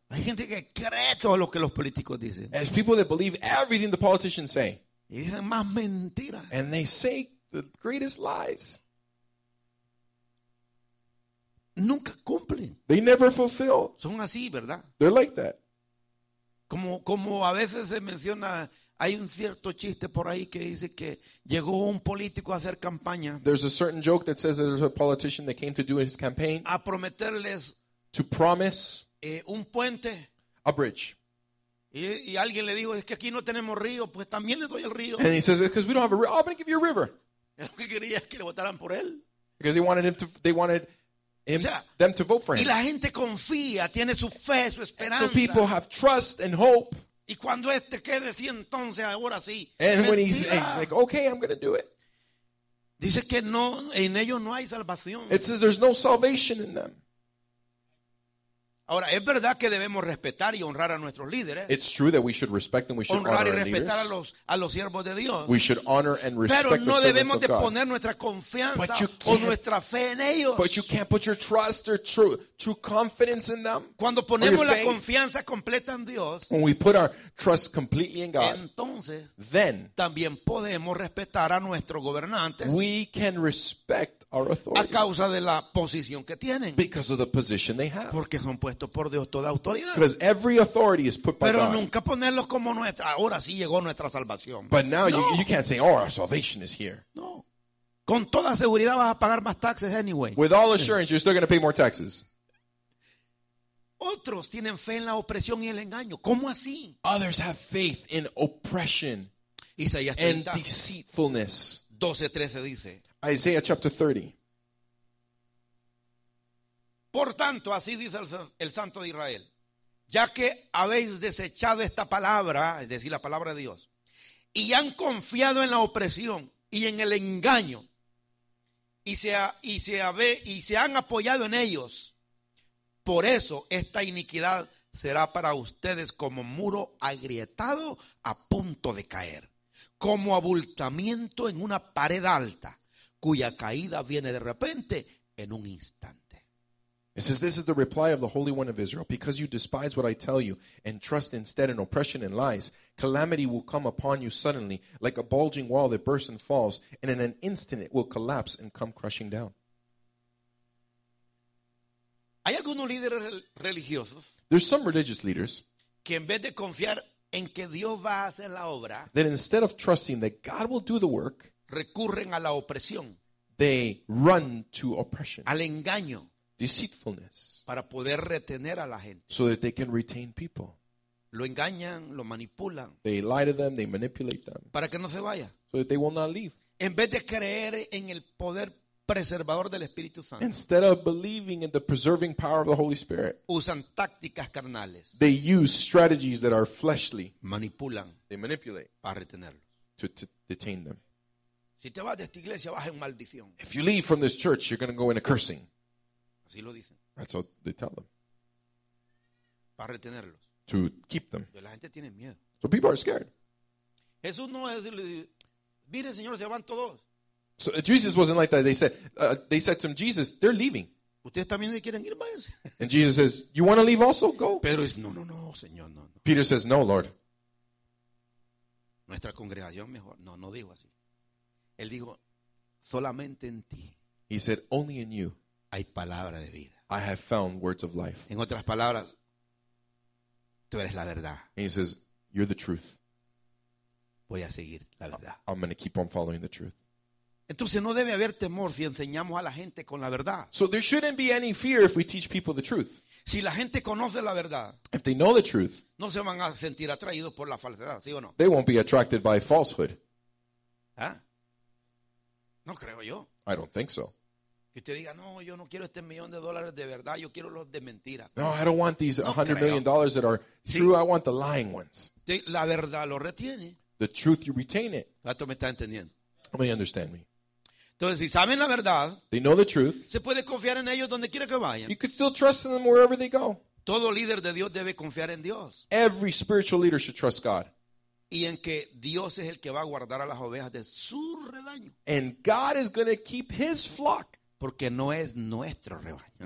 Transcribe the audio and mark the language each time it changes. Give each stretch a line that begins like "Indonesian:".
Spanish: Hay gente que cree todo lo que los políticos dicen,
English: as people that believe everything the politicians say,
Spanish: y dicen más mentiras,
English: and they say the greatest lies.
Spanish: Nunca cumplen.
English: They never fulfill.
Spanish: Son así, ¿verdad?
English: They're like that.
Spanish: Como a veces se menciona, hay un cierto chiste por ahí que dice que llegó un político a hacer campaña.
English: There's a certain joke that says there's a politician that came to do his campaign.
Spanish: A prometerles.
English: To promise.
Spanish: Un puente.
English: A bridge.
Spanish: Y alguien le dijo, es que aquí no tenemos río, pues también le doy el río.
English: And he says, because we don't have a river, oh, I'm going to give you a river.
Spanish: Lo que quería es que le votaran por él.
English: Because they wanted him,
Spanish: o sea,
English: them to vote for him.
Spanish: Y la gente confía, tiene su fe, su esperanza.
English: So people have trust and hope.
Spanish: Y cuando este quede así, entonces ahora sí.
English: And when he's like, okay, I'm going to do it.
Spanish: Dice que no, en ellos no hay salvación.
English: It says there's no salvation in them.
Spanish: Ahora, es verdad que debemos respetar y honrar a nuestros líderes.
English: It's true that we should respect and we should
Spanish: honrar
English: honor
Spanish: y respetar
English: our leaders.
Spanish: A los siervos de Dios.
English: We should honor and respect
Spanish: Pero no
English: the servants
Spanish: debemos
English: of God.
Spanish: De poner nuestra confianza o nuestra fe en ellos.
English: But you can't put your trust or true confidence in them.
Spanish: Cuando ponemos la confianza completa en Dios,
English: when we put our trust completely in God,
Spanish: entonces,
English: then
Spanish: también podemos respetar a nuestros gobernantes.
English: We can respect our authorities.
Spanish: A causa de la posición que tienen.
English: Because of the position they have.
Spanish: Porque son puesto por Dios toda autoridad.
English: Because every authority is put by
Spanish: Pero
English: God.
Spanish: Nunca ponerlos como nuestra. Ahora sí llegó nuestra salvación.
English: But now no. you can't say, oh, our salvation is here.
Spanish: No. Con toda seguridad vas a pagar más
English: taxes anyway. With all assurance, you're still going to pay more taxes.
Spanish: Otros tienen fe en la opresión y el engaño. ¿Cómo así?
English: Others have faith in oppression and deceitfulness.
Spanish: 12:13 dice.
English: Isaiah chapter 30.
Spanish: Por tanto, así dice el Santo de Israel, ya que habéis desechado esta palabra, es decir, la palabra de Dios, y han confiado en la opresión y en el engaño, y se han apoyado en ellos, por eso esta iniquidad será para ustedes como muro agrietado a punto de caer, como abultamiento en una pared alta, cuya caída viene de repente en un instante.
English: It says, this is the reply of the Holy One of Israel. Because you despise what I tell you and trust instead in oppression and lies, calamity will come upon you suddenly like a bulging wall that bursts and falls, and in an instant it will collapse and come crushing down.
Spanish: Hay algunos líderes religiosos.
English: There's some religious leaders
Spanish: que en vez de confiar en que Dios va a hacer la obra,
English: that instead of trusting that God will do the work,
Spanish: recurren a la opresión.
English: They run to oppression.
Spanish: Al engaño.
English: Deceitfulness.
Spanish: Para poder retener a la gente.
English: So that they can retain people.
Spanish: Lo engañan, lo manipulan.
English: They lie to them, they manipulate them.
Spanish: Para que no se vaya.
English: So that they will not leave.
Spanish: En vez de creer en el poder preservador del Espíritu Santo.
English: Instead of believing in the preserving power of the Holy Spirit.
Spanish: Usan tácticas carnales.
English: They use strategies that are fleshly.
Spanish: Manipulan.
English: They manipulate.
Spanish: Para retenerlos.
English: To detain them.
Spanish: Si te vas de esta iglesia, vas en maldición.
English: If you leave from this church, you're going to go in a cursing.
Spanish: Así lo dicen.
English: That's what they tell them.
Spanish: Para retenerlos.
English: To keep them.
Spanish: La gente tiene miedo.
English: So people are scared.
Spanish: Jesús no es decirle, mire, señor, se van todos.
English: So Jesus wasn't like that. They said to him, Jesus, they're leaving.
Spanish: Ustedes también quieren ir, váyanse.
English: And Jesus says, you want to leave also? Go.
Spanish: Pedro dice, no, señor, no.
English: Peter says, no, Lord.
Spanish: Nuestra congregación mejor. No dijo así. Él dijo, solamente en ti.
English: He said, only in you.
Spanish: Hay palabra de vida.
English: I have found words of life.
Spanish: En otras palabras, tú eres la verdad.
English: And he says, you're the truth.
Spanish: Voy a seguir la verdad.
English: I'm going to keep on following the truth.
Spanish: Entonces no debe haber temor si enseñamos a la gente con la verdad.
English: So there shouldn't be any fear if we teach people the truth.
Spanish: Si la gente conoce la verdad,
English: if they know the truth,
Spanish: no se van a sentir atraídos por la falsedad, ¿sí o no?
English: They won't be attracted by falsehood.
Spanish: ¿Ah? No creo yo.
English: I don't think so.
Spanish: Que usted diga, no, yo no quiero este millón de dólares de verdad, yo quiero los de mentira.
English: No, I don't want these $100 million that are true,
Spanish: sí.
English: I want the lying ones.
Spanish: La verdad lo retiene.
English: The truth, you retain it.
Spanish: ¿Esto me está entendiendo?
English: How many understand me?
Spanish: Entonces, si saben la verdad,
English: they know the truth,
Spanish: se puede confiar en ellos donde quiera que vayan.
English: You could still trust in them wherever they go.
Spanish: Todo líder de Dios debe confiar en Dios.
English: Every spiritual leader should trust God.
Spanish: Y en que Dios es el que va a guardar a las ovejas de su rebaño.
English: And God is going to keep his flock.
Spanish: Porque no es nuestro rebaño.